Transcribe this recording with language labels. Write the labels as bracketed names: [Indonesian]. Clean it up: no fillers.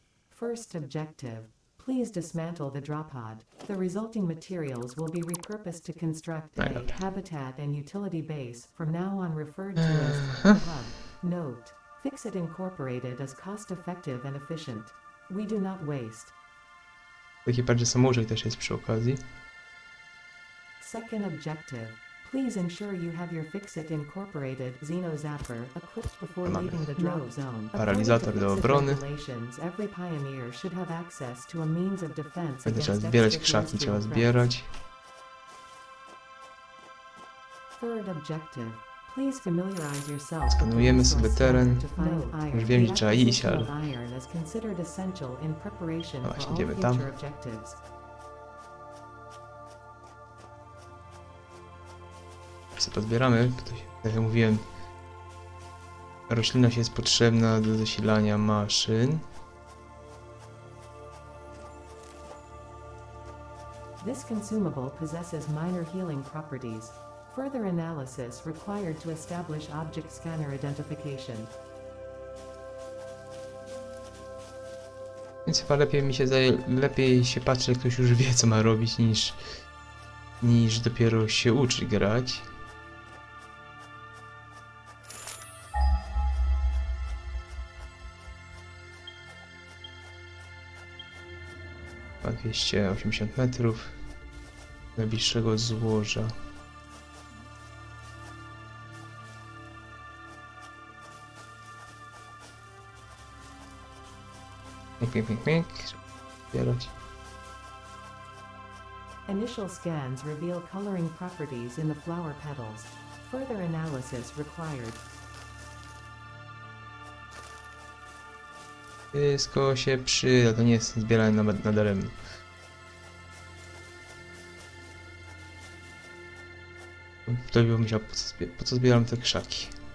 [English] First objective, please dismantle the drop pod. The resulting materials will be repurposed to construct a habitat and utility base, from now on referred to as the hub. Note, Fixit Incorporated is cost-effective and efficient. We do not waste. [Polish] Taki bardzo samouczek też jest przy okazji. [English] Second objective, please ensure you have your Fixit Incorporated Xeno Zapper equipped before leaving the drop zone. [Polish] Paralizator do obrony. [English] Every pioneer should have access to a means of defense. [Polish] Będę trzeba zbierać krzaki, trzeba zbierać. [English] Third objective, please familiarize yourself. [Polish] Skanujemy sobie teren. Już wiem, gdzie trzeba iść, ale. [English] Iron is considered essential in preparation for future objectives. [Polish] Co podbieramy, tak jak mówiłem, roślinność jest potrzebna do zasilania maszyn. [English] This consumable possesses minor healing properties. Further analysis required to establish object scanner identification. [Polish] Więc chyba lepiej się patrzy, jak ktoś już wie, co ma robić, niż dopiero się uczy grać. Jeszcze 80 metrów najbliższego złoża. Mik, zbierać. [English] Initial scans reveal coloring properties in the flower petals. Further analysis required. [Polish] Wszystko się przyda, to nie jest zbieranie na daremno. To bym myślał, po co zbieram te krzaki.